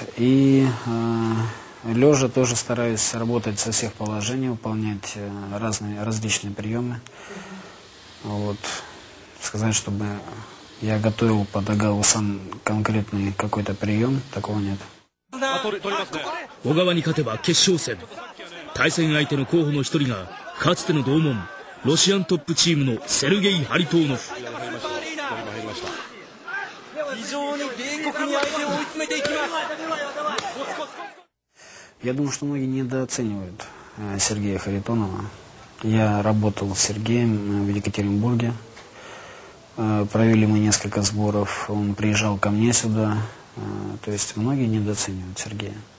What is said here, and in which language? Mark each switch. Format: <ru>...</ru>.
<ru>И лежа тоже стараюсь работать со всех положений, выполнять разные, различные приемы. Вот. Сказать, чтобы я готовил под Агалу сам конкретный какой-то прием, такого нет.</ru> <ja>小川に勝てば決勝戦。対戦相手の候補の一人がかつての同門ロシアントップチームのセルゲイ・ハリトーノ。非常に冷酷に相手を追い詰めていきます。</ja> <ru>Я думаю, что многие недооценивают Сергея Харитонова. Я работал с Сергеем в Екатеринбурге. Провели мы несколько сборов. Он приезжал ко мне сюда. То есть многие недооценивают Сергея.</ru>